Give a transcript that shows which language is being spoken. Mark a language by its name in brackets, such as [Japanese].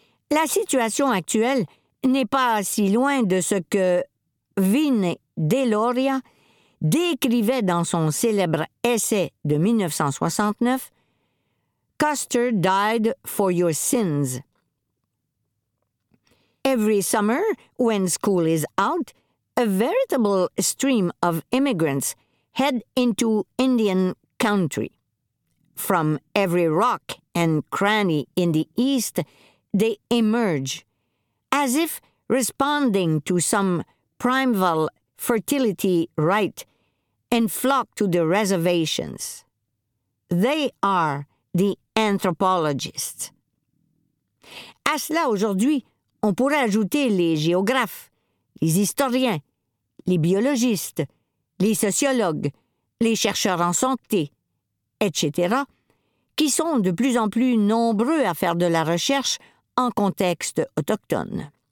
[French] La situation actuelle n'est pas si loin de ce que Vinay Deloria décrivait dans son célèbre essai de 1969 « [English] Custer died for your sins ». Every summer, when school is out, a veritable stream of immigrants head into Indian country. From every rock and cranny in the east, they emerge, as if responding to some primeval fertility rite, and flock to the reservations. They are the anthropologists. [French] À cela aujourd'hui, on pourrait ajouter les géographes, les historiens, les biologistes, les sociologues, les chercheurs en santé, etc., qui sont de plus en plus nombreux à faire de la recherche en contexte autochtone.